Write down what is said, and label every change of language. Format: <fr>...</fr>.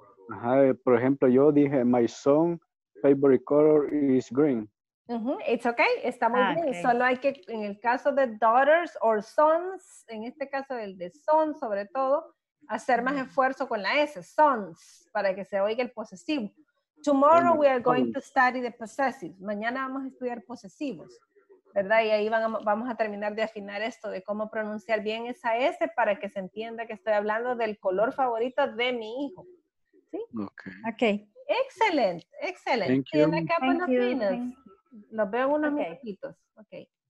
<es>Ajá, por ejemplo, yo dije,</es> <en>my son's favorite color is green. Uh-huh. It's okay,</en> <es>está muy bien.</es> <en>Okay.</en> <es>Solo hay que, en el caso de</es> <en>daughters or sons,</en> <es>en este caso el de son sobre todo, hacer más esfuerzo con la S, sons, para que se oiga el posesivo.</es> <en>Tomorrow we are going to study the possessive.</en> <es>Mañana vamos a estudiar posesivos. ¿Verdad? Y ahí vamos a terminar de afinar esto de cómo pronunciar bien esa S para que se entienda que estoy hablando del color favorito de mi hijo. ¿Sí?</es> <en>Ok. Okay. Excellent, excellent. Thank you. Thank you. Thank you.</en> <es>Los veo unos minutitos.</es> <en>Ok.</en>